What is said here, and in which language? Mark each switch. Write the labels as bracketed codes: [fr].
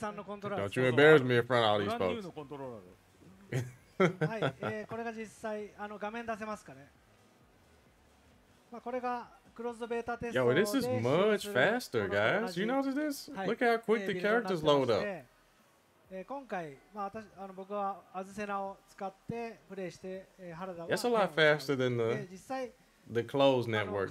[en] don't you embarrass me in front of all these folks. [ja] はい、これが実際画面出せますかね。まあこれがクローズドベータテストで。 [en] Yo, this is much faster, guys. You notice this? Look how quick the characters load up. [ja] 今回、まあ私僕はアズセナを使ってプレイして、原田は。 [en] That's a lot faster than the closed network test.